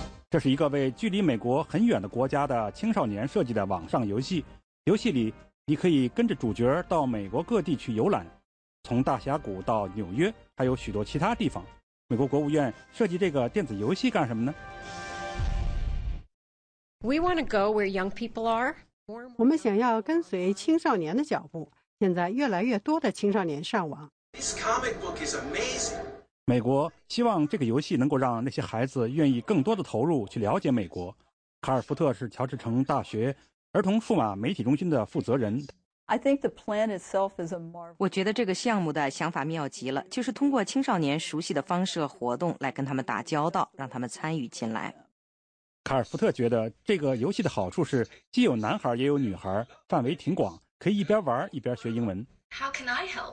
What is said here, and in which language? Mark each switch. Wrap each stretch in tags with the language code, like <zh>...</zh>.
<zh>这是一个为距离美国很远的国家的青少年设计的网上游戏。游戏里你可以跟着主角到美国各地去游览，从大峡谷到纽约，还有许多其他地方。美国国务院设计这个电子游戏干什么呢？</zh> <en>We want to go where young people are.</en> <zh>我们想要跟随青少年的脚步，现在越来越多的青少年上网。</zh> <en>This comic book is amazing.</en> <zh>美国希望这个游戏能够让那些孩子愿意更多的投入去了解美国。卡尔福特是乔治城大学儿童数码媒体中心的负责人。</zh> <en>I think the plan itself is a marvel.</en> <zh>我觉得这个项目的想法妙极了，就是通过青少年熟悉的方式和活动来跟他们打交道，让他们参与进来。卡尔福特觉得这个游戏的好处是既有男孩也有女孩，范围挺广，可以一边玩一边学英文。</zh> <en>How can I help?</en>